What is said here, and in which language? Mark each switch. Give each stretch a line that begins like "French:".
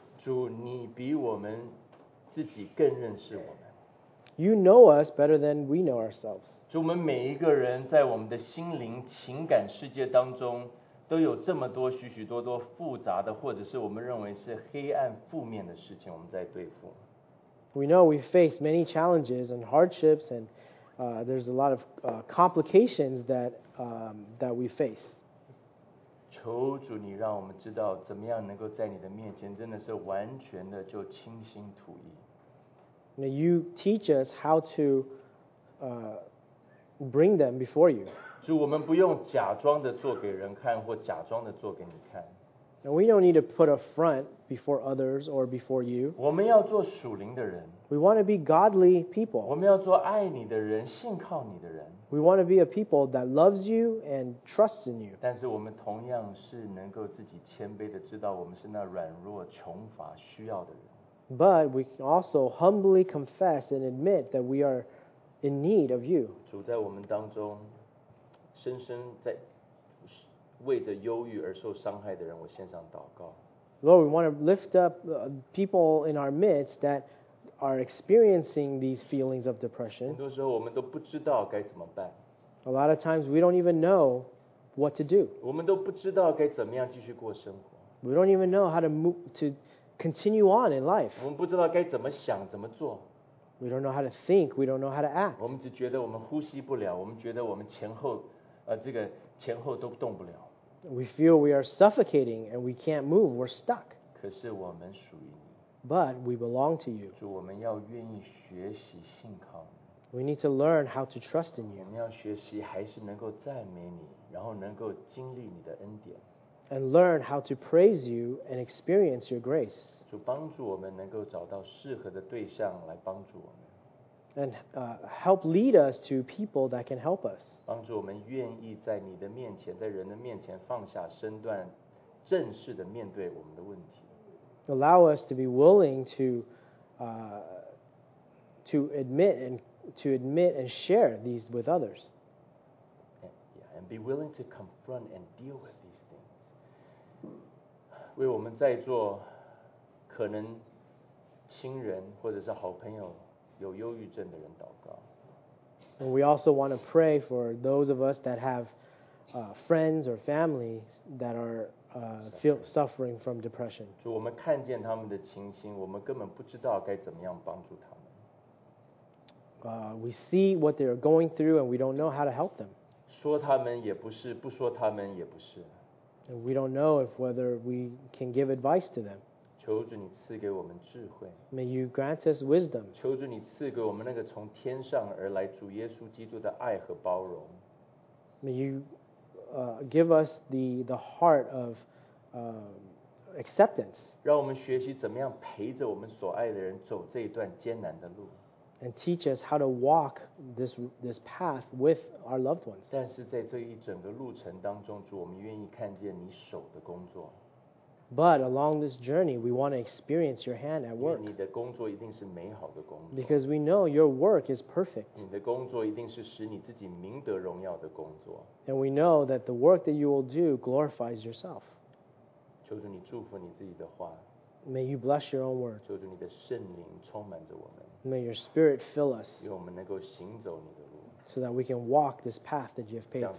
Chinese: 主你比我们自己更认识我们
English: You know us better than we know ourselves.
Chinese: 主，我们每一个人在我们的心灵、情感世界当中，都有这么多许许多多复杂的，或者是我们认为是黑暗、负面的事情，我们在对付。
English: We know we face many challenges and hardships, and there's a lot of complications that we face.
Chinese: 求主，你让我们知道怎么样能够在你的面前真的是完全的就倾心吐意。
English: You teach us how to bring them before you.
Chinese: 主，我们不用假装的做给人看，或假装的做给你看。
English: And we don't need to put a front before others or before you.
Chinese: 我们要做属灵的人。
English: We want to be godly people.
Chinese: 我们要做爱你的人，信靠你的人。
English: We want to be a people that loves you and trusts in you.
Chinese: 但是我们同样是能够自己谦卑的知道，我们是那软弱、穷乏、需要的人。
English: But we can also humbly confess and admit that we are in need of you.
Chinese: 主在我们当中，深深在。为着忧郁而受伤害的人，我献上祷告。
English: Lord, we want to lift up people in our midst that are experiencing these feelings of depression.
Chinese: 很多时候我们都不知道该怎么办。
English: A lot of times we don't even know what to do.
Chinese: 我们都不知道该怎么样继续过生活。
English: We don't even know how to move to continue on in life.
Chinese: 我们不知道该怎么想，怎么做。
English: We don't know how to think. We don't know how to act.
Chinese: 我们只觉得我们呼吸不了，我们觉得我们前后，这个。前后都动不了。
English: We feel we are suffocating and we can't move. We're stuck.
Chinese: 可是我们属于你。
English: But we belong to you.
Chinese: 主，我们要愿意学习信靠你。
English: We need to learn how to trust in you.
Chinese: 我们要学习还是能够赞美你，然后能够经历你的恩典。
English: And learn how to praise you and experience your grace.
Chinese: 主，帮助我们能够找到适合的对象来帮助我们。
English: And help lead us to people that can help us.
Chinese: 帮助我们愿意在你的面前，在人的面前放下身段，正式的面对我们的问题。
English: Allow us to be willing to admit and share these with others. And be willing to confront and deal with these things.
Chinese: 为我们在座可能亲人或者是好朋友。有忧郁症的人祷告。
English: And we also want to pray for those of us that have friends or family that are suffering from depression.
Chinese: 主，我们看见他们的情形，我们根本不知道该怎么样帮助他们。
English: We see what they're going through and we don't know how to help them.
Chinese: 说他们也不是，不说他们也不是。
English: And we don't know if whether we can give advice to them.
Chinese: 求主你赐给我们智慧。
English: May you grant us wisdom.
Chinese: 求主你赐给我们那个从天上而来主耶稣基督的爱和包容。
English: May you give us the heart of acceptance.
Chinese: 让我们学习怎么样陪着我们所爱的人走这一段艰难的路。
English: And teach us how to walk this path with our loved ones.
Chinese: 但是在这一整个路程当中，主，我们愿意看见你手的工作。
English: But along this journey, we want to experience your hand at work.
Chinese: 你的工作一定是美好的工作。
English: Because we know your work is perfect.
Chinese: 你的工作一定是使你自己明得荣耀的工作。
English: And we know that the work that you will do glorifies yourself.
Chinese: 求主你祝福你自己的话。
English: May you bless your own word.
Chinese: 求主你的圣灵充满着我们。
English: May your spirit fill us.
Chinese: 让我们能够行走你的路。
English: So that we can walk this path that you have paved for us.